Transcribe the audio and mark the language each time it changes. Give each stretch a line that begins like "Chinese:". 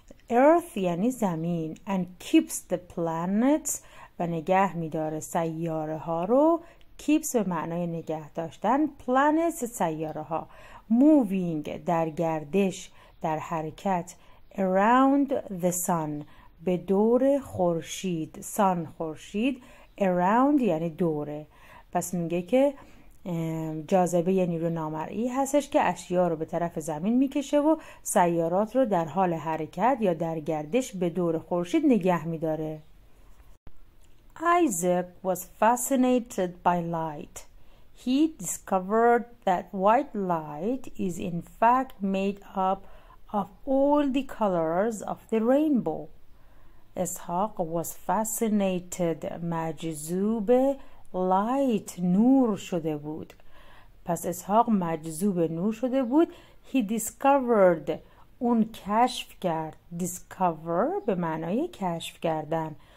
English: earth
Persian: یعنی زمین
English: and keeps the planets
Persian: و نگه میداره سیاره ها رو
English: keeps
Persian: به معنای نگه داشتن
English: planets
Persian: سیاره ها
English: moving
Persian: در گردش در حرکت
English: around the sun
Persian: به دور خورشید
English: sun
Persian: خورشید
English: around
Persian: یعنی دوره. پس میگه که جاذبه یه نیروی نامرئی هستش که اشیا رو به طرف زمین میکشه و سیارات رو در حال حرکت یا در گردش به دور خورشید نگه میداره.
English: Isaac was fascinated by light. He discovered that white light is in fact made up of all the colors of the rainbow.
Persian: اسحاق
English: was fascinated
Persian: مجذوب
English: light
Persian: نور شده بود. پس اسحاق مجذوب نور شده بود.
English: He discovered
Persian: اون کشف کرد.
English: Discover
Persian: به معنای کشف کردن.